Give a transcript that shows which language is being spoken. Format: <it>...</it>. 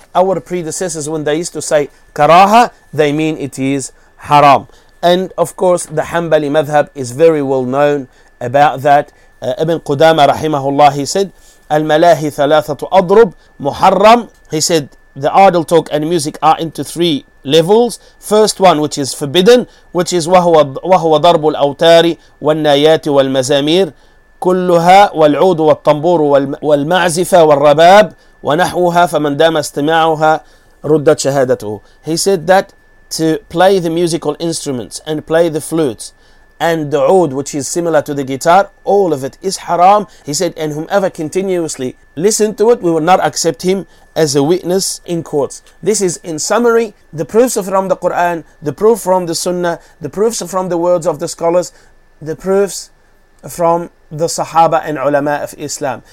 <en>Our predecessors, when they used to say karaha, they mean it is haram. And of course, the Hanbali madhab is very well known about that. Ibn Qudama rahimahullah, he said,</en> <ar>al-malahi thalathatu adrub muharram.</ar> <en>He said, the idle talk and music are into three levels. First one, which is</en> <ar>forbidden, which is وهو ضرب الأوتار والنايات والمزامير كلها والعود والطنبور والمعزفة والرباب ونحوها فمن دام استماعها ردت شهادته.</ar> <en>He said that to play the musical instruments and play the flutes and the oud, which is similar to the guitar, all of it is haram. He said, and whomever continuously listened to it, we will not accept him as a witness in courts. This is, in summary, the proofs from the Quran, the proof from the Sunnah, the proofs from the words of the scholars, the proofs from the Sahaba and Ulama of Islam.</en>